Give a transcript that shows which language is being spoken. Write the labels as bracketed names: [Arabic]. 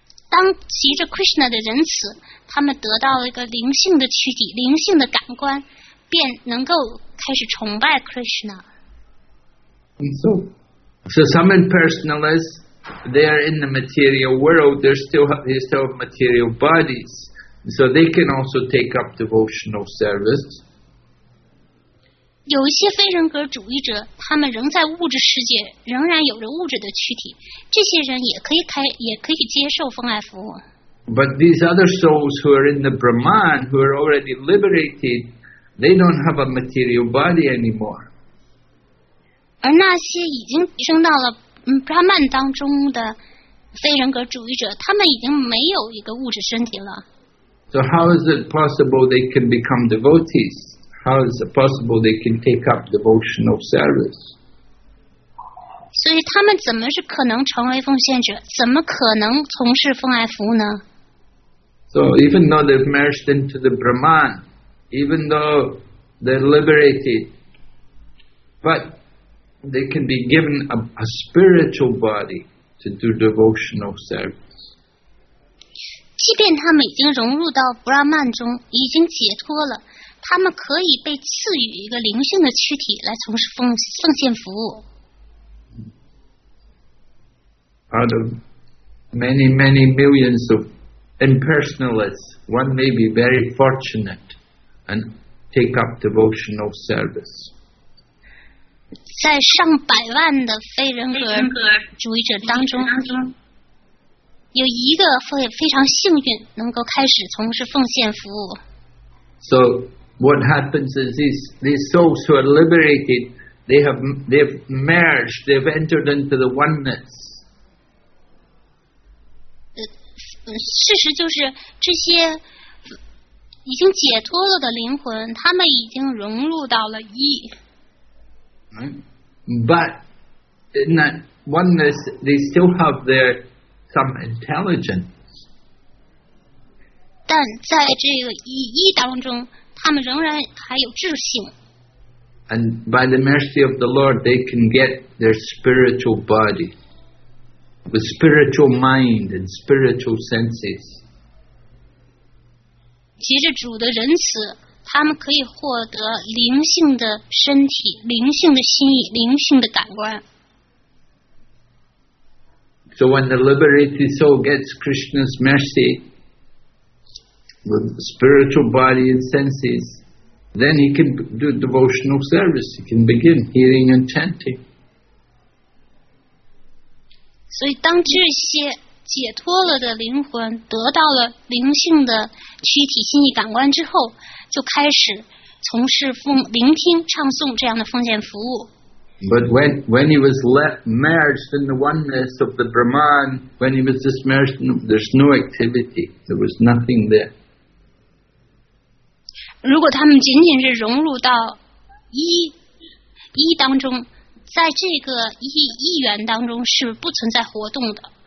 [Chinese] 当随着 Krishna 的仁慈，他们得到了一个灵性的躯体，灵性的感官，便能够开始崇拜 Krishna。 [English] So some impersonalists, they are in the material world, they still have material bodies, so they can also take up devotional service. [Chinese] 有一些非人格主义者，他们仍在物质世界，仍然有着物质的躯体，这些人也可以接受奉爱服务。 [English] But these other souls who are in the Brahman, who are already liberated, they don't have a material body anymore. [Chinese] 而那些已经升到了 Brahman 当中的非人格主义者，他们已经没有一个物质身体了。 [English] So how is it possible they can become devotees? How is it possible they can take up devotional service? [Chinese] 所以他们怎么是可能成为奉献者？怎么可能从事奉爱服务呢？ [English] So even though they've merged into the Brahman, even though they're liberated. But they can be given a spiritual body to do devotional service. [Chinese] 即便他们已经融入到布拉曼中，已经解脱了，他们可以被赐予一个灵性的躯体来从事奉献服务。 [English] Out of many, many millions of impersonalists, one may be very fortunate and take up devotional service. [Chinese] 在上百万的非人格主义者当中，有一个会非常幸运能够开始从事奉献服务。 [English] So what happens is these souls who are liberated, they've merged, they've entered into the oneness. [Chinese] 事实就是这些已经解脱了的灵魂，他们已经融入到了一。 [English] But in that oneness, they still have their some intelligence. [Chinese] 但在这个一当中，他们仍然还有智性。 [English] And by the mercy of the Lord, they can get their spiritual body. With spiritual mind and spiritual senses. [Chinese] 藉着主的仁慈，他们可以获得灵性的身体、灵性的心意、灵性的感官。 [English] So when the liberated soul gets Krishna's mercy with spiritual body and senses, then he can do devotional service. He can begin hearing and chanting. [Chinese] 所以当这些解脱了的灵魂得到了灵性的躯体心意感官之后，就开始从事聆听唱诵这样的奉献服务。 [English] But when he was merged in the oneness of the Brahman, when he was just merged, there's no activity. There was nothing there. [Chinese] 如果他们仅仅是融入到一当中，在这个一元当中是不存在活动的。